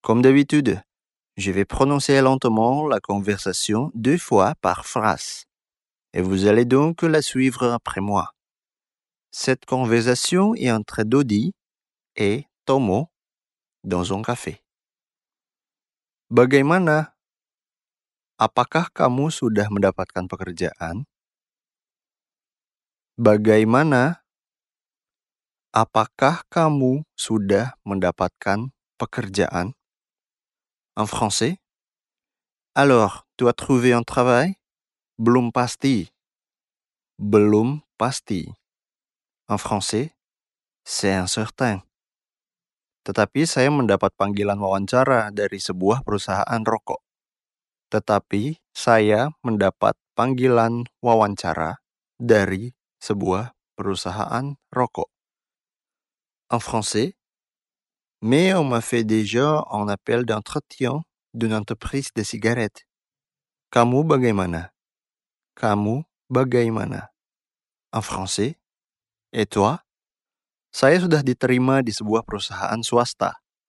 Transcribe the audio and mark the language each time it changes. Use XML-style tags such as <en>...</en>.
<fr>Comme d'habitude, je vais prononcer lentement la conversation deux fois par phrase. Et vous allez donc la suivre après moi. Cette conversation est entre Dodi et Tomo, dans un café.</fr> <id>Bagaimana? Apakah kamu sudah mendapatkan pekerjaan? Bagaimana? Apakah kamu sudah mendapatkan pekerjaan?</id> <fr>En français? Alors, tu as trouvé un travail?</fr> <id>Belum pasti. Belum pasti.</id> <fr>En français? C'est incertain.</fr> <id>Tetapi saya mendapat panggilan wawancara dari sebuah perusahaan rokok. Tetapi saya mendapat panggilan wawancara dari sebuah perusahaan rokok.</id> <fr>En français, mais on m'a fait déjà un appel d'entretien d'une entreprise de cigarettes.</fr> <id>Kamu bagaimana? Kamu bagaimana?</id> <fr>En français, et toi?</fr> <id>Saya sudah diterima di sebuah perusahaan swasta.</id>